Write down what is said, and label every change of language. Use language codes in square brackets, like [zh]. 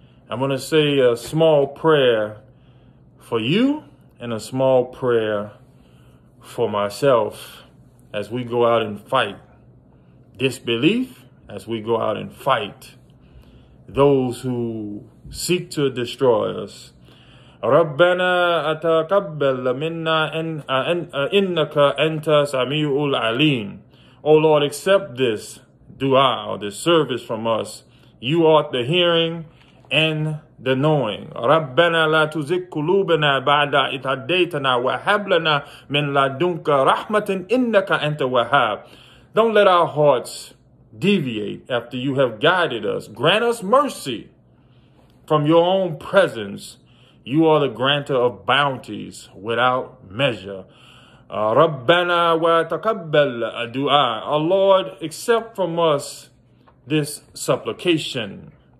[en] I'm going to say a small prayer for you and a small prayer for myself as we go out and fight disbelief, as we go out and fight those who seek to destroy us. [ar] ربنا أتقبل منا إنك أنت سميع العليم. [en] O Lord, accept this dua or this service from us. You are the hearing and the knowing. [ar] ربنا لا تزغ قلوبنا بعد إذ هديتنا وهب لنا من لدنك رحمة إنك أنت الوهاب. [en] Don't let our hearts deviate after you have guided us. Grant us mercy from your own presence. You are the granter of bounties without measure. [ar] Rabbana wa taqabbal du'a. [en] Our Lord, accept from us this supplication.